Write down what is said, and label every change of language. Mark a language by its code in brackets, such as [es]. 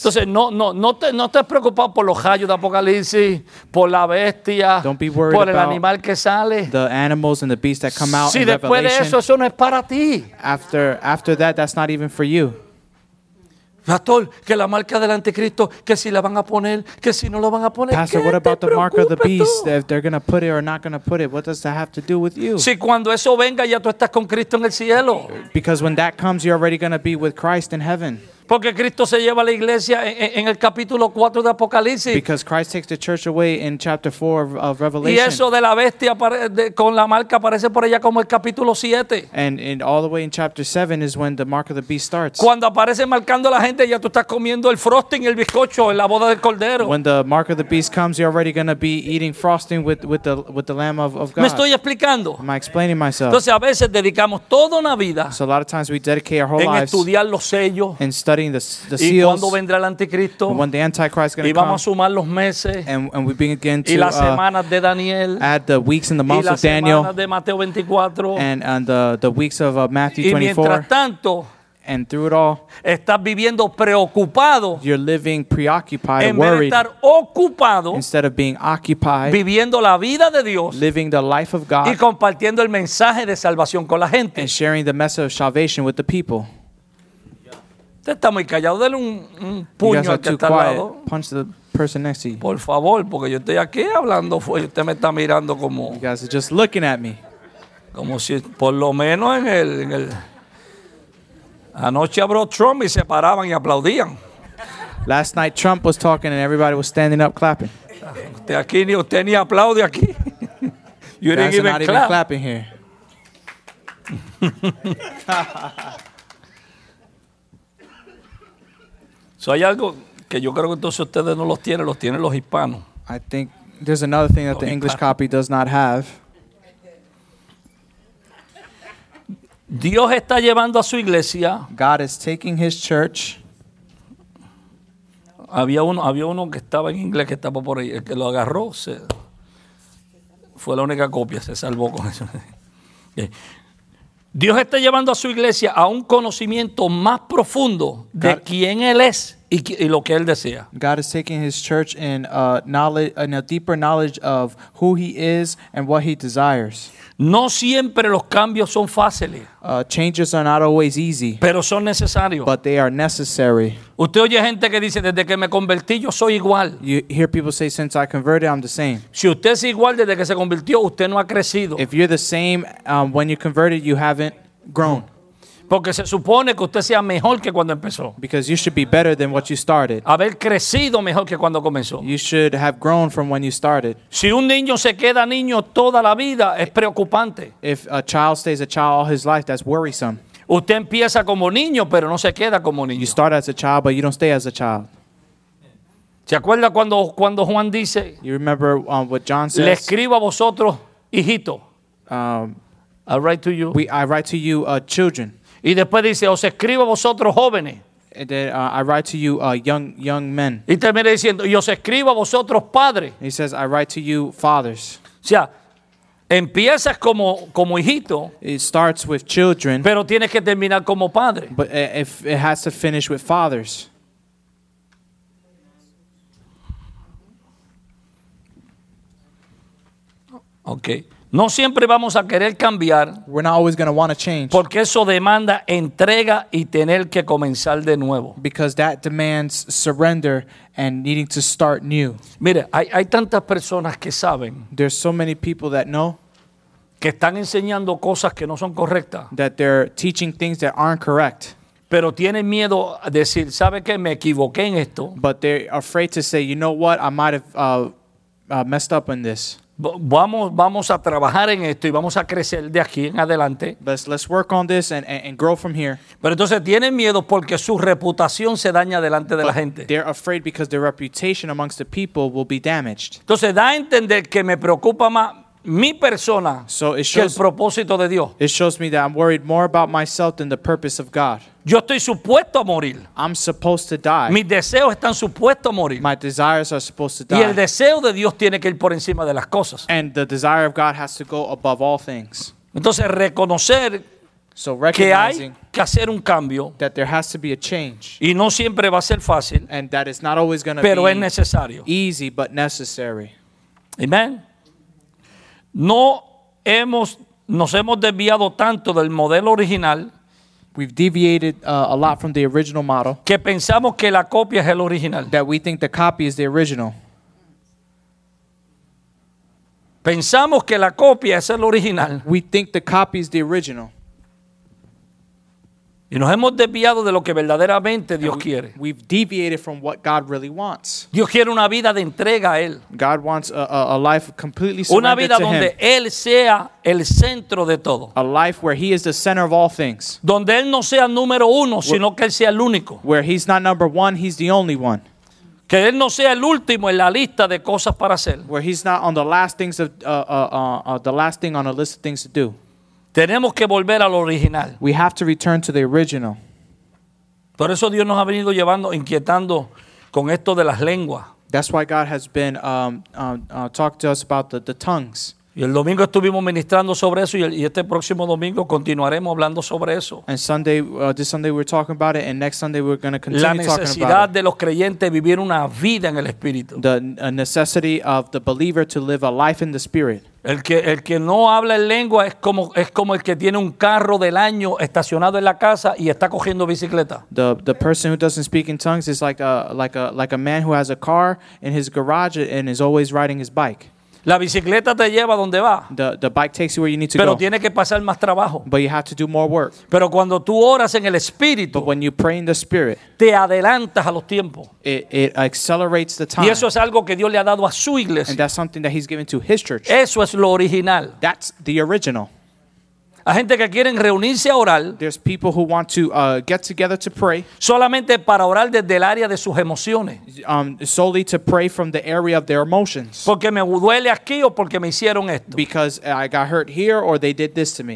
[es] Entonces no te preocupes por los rayos de Apocalipsis, por la bestia, [en] don't be worried [es] por el [en] about [es] animal que sale. [en] The animals and the beasts that come out [es] si [en] in [es] después [en] Revelation. [es] De eso no es para ti. [en] After that, that's not even for you. [es] Pastor, que la marca del anticristo, que si la van a poner, que si no la van a poner. [en] Pastor, what about the mark of the beast? If they're going to put it or not going to put it, what does that have to do with you? [es] Si cuando eso venga ya tú estás con Cristo en el cielo. [en] Because when that comes, you're already going to be with Christ in heaven. [es] Porque Cristo se lleva a la iglesia en el capítulo 4 de Apocalipsis. [en] Because Christ takes the church away in chapter 4 of Revelation. [es] Y eso de la bestia con la marca aparece por allá como el capítulo 7. [en] And all the way in chapter 7 is when the mark of the beast starts. [es] Cuando aparece marcando a la gente ya tú estás comiendo el frosting, el bizcocho en la boda del cordero. [en] When the mark of the beast comes, you're already going to be eating frosting with the lamb of God. [es] ¿Me estoy explicando? [en] Am I explaining myself? [es] Entonces a veces dedicamos toda una vida. [en] So a lot of times we dedicate our whole lives [es] en estudiar los sellos. [en] In studying the seals, [es] y cuando vendrá el anticristo, [en] and when the Antichrist is going to come, [es] y vamos [en] come, [es] a sumar los meses, [en] and we begin to [es] y las semanas de Daniel, [en] add the weeks and the months [es] y las [en] of Daniel, [es] de Mateo 24, [en] and the weeks of Matthew 24, [es] y mientras tanto, [en] and through it all, [es] estás viviendo preocupado, [en] you're living preoccupied, [es] en [en] worried, [es] vez de estar ocupado, [en] instead of being occupied, [es] viviendo la vida de Dios, [en] living the life of God, [es] y compartiendo el mensaje de salvación con la gente, [en] and sharing the message of salvation with the people. [es] Usted está muy callado, dele un puño al que está [en] quiet. [es] Al lado. [en] Punch the person next to you. [es] Por favor, porque yo estoy aquí hablando y usted me está mirando como. [en] You guys are just looking at me. [es] Como si por lo menos en el anoche habló Trump y se paraban y aplaudían. [en] Last night Trump was talking and everybody was standing up clapping. [es] Usted aquí ni usted ni aplaude aquí. [en] You guys are not even clapping here. [es] So hay algo que yo creo que entonces ustedes no los tienen los hispanos. [en] I think there's another thing that [es] los [en] the English [es] hispanos. [en] Copy does not have. [es] Dios está llevando a su iglesia. [en] God is taking his church. [es] Había uno que estaba en inglés que estaba por ahí, el que lo agarró, fue la única copia, se salvó con eso. Okay. Dios está llevando a su iglesia a un conocimiento más profundo de quién él es y lo que él desea. [en] God is taking his church in a deeper knowledge of who he is and what he desires. [es] No siempre los cambios son fáciles. [en] Changes are not always easy. [es] Pero son necesarios. [en] But they are necessary. [es] Usted oye gente que dice, desde que me convertí yo soy igual. [en] You hear people say, since I converted, I'm the same. [es] Si usted es igual desde que se convirtió, usted no ha crecido. [en] If you're the same, when you converted, you haven't grown. [es] Porque se supone que usted sea mejor que cuando empezó. [en] Because you should be better than what you started. [es] Haber crecido mejor que cuando comenzó. [en] You should have grown from when you started. [es] Si un niño se queda niño toda la vida, es preocupante. [en] If a child stays a child all his life, that's worrisome. [es] Usted empieza como niño, pero no se queda como niño. [en] You start as a child, but you don't stay as a child. [es] ¿Se acuerda cuando Juan dice? [en] You remember what John says? [es] Le escribo a vosotros, hijito. [en] I write to you. I write to you, children. [es] Y después dice, os escribo a vosotros jóvenes. [en] And then, I write to you young men. [es] Y termina diciendo, y os escribo a vosotros padres. [en] He says, I write to you fathers. [es] O sea, empiezas como hijito. [en] It starts with children. [es] Pero tienes que terminar como padre. [en] But it has to finish with fathers. [es] Okay. No siempre vamos a querer cambiar. [en] We're not always going to want to change. [es] Porque eso demanda entrega y tener que comenzar de nuevo. [en] Because that demands surrender and needing to start new. [es] Mire, hay tantas personas que saben. [en] There's so many people that know. [es] Que están enseñando cosas que no son correctas. [en] That they're teaching things that aren't correct. [es] Pero tienen miedo a decir, ¿sabe qué? Me equivoqué en esto. [en] But they're afraid to say, you know what? I might have messed up in this. [es] Vamos a trabajar en esto y vamos a crecer de aquí en adelante. [en] Let's work on this and grow from here. [es] Pero entonces tienen miedo porque su reputación se daña delante de la gente. [en] They're afraid because their reputation amongst the people will be damaged. [es] Entonces da a entender que me preocupa más mi persona que el propósito de Dios. [en] It shows me that I'm worried more about myself than the purpose of God. [es] Yo estoy supuesto a morir. [en] I'm supposed to die. [es] Mis deseos están supuestos a morir. [en] My desires are supposed to die. [es] Y el deseo de Dios tiene que ir por encima de las cosas. [en] And the desire of God has to go above all things. [es] Entonces reconocer [en] So recognizing [es] que hacer un cambio, [en] that there has to be a change. [es] Y no siempre va a ser fácil, [en] and that it's not always going to [es] pero [en] be [es] es necesario. [en] Easy, but necessary. [es] Amen. No hemos, nos hemos desviado tanto del modelo original. [en] We've deviated a lot from the original model. [es] Que pensamos que la copia es el original. [en] That we think the copy is the original. [es] Pensamos que la copia es el original. [en] We think the copy is the original. [es] Y nos hemos desviado de lo que verdaderamente Dios quiere. [en] We've deviated from what God really wants. [es] Dios quiere una vida de entrega a Él. [en] God wants a life completely surrendered to Him. [es] Una vida donde Él sea el centro de todo. [en] A life where He is the center of all things. [es] Donde Él no sea número uno, sino que Él sea el único. [en] Where He's not number one, He's the only one. [es] Que Él no sea el último en la lista de cosas para hacer. [en] Where He's not on the last things of the last thing on a list of things to do. [es] Tenemos que volver al original. [en] We have to return to the original. [es] Por eso Dios nos ha venido llevando, inquietando con esto de las lenguas. [en] That's why God has been talking to us about the tongues. [es] Y el domingo estuvimos ministrando sobre eso y este próximo domingo continuaremos hablando sobre eso. [en] And Sunday, this Sunday we're talking about it, and next Sunday we're going to continue talking about it. [es] La necesidad de los creyentes vivir una vida en el Espíritu. [en] The necessity of the believer to live a life in the Spirit. [es] El que no habla en lengua es como el que tiene un carro del año estacionado en la casa y está cogiendo bicicleta. [en] The person who doesn't speak in tongues is like a man who has a car in his garage and is always riding his bike. [es] La bicicleta te lleva donde va. [en] The bike takes you where you need to [es] pero [en] go. [es] Tiene que pasar más trabajo. [en] But you have to do more work. [es] Pero cuando tú oras en el Espíritu, [en] but when you pray in the Spirit, [es] te adelantas a los tiempos. [en] It accelerates the time. [es] Y eso es algo que Dios le ha dado a su iglesia. [en] And that's something that He's given to His church. [es] Eso es lo original. [en] That's the original. [es] Hay gente que quieren reunirse a orar. [en] There's people who want to get together to pray. [es] Solamente para orar desde el área de sus emociones. [en] Solely to pray from the area of their emotions. [es] Porque me duele aquí o porque me hicieron esto. [en] Because I got hurt here or they did this to me.